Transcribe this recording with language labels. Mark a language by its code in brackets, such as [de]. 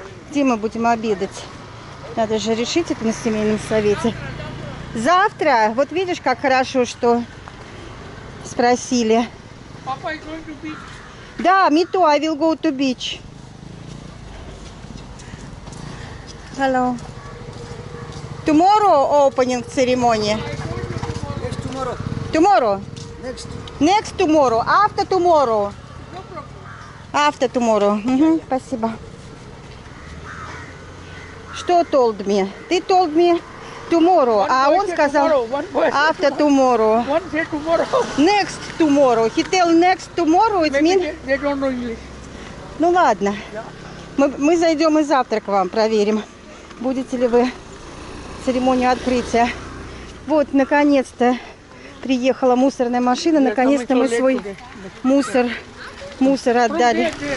[ru] Где мы будем обедать? Надо же решить это на семейном совете. Завтра, вот видишь, как хорошо, что спросили. [en] Папа, I'm going to beach. [ru] Да, [en] me too, I will go to beach. Hello. Tomorrow opening ceremony. Next tomorrow. Tomorrow? Next. Next tomorrow, after tomorrow. No problem. After tomorrow. Mm-hmm. Yeah. [ru] Спасибо. Что [en] told me? [ru] Ты [en] told me tomorrow. One [ru] а он сказал [en] tomorrow. After tomorrow. One day tomorrow. Next tomorrow. He tell next tomorrow, it maybe means... They don't know English. [ru] Ну ладно. [en] Yeah. [ru] Мы зайдем и завтра к вам проверим, будете ли вы церемонию открытия. Вот, наконец-то приехала мусорная машина. Наконец-то мы свой мусор отдали.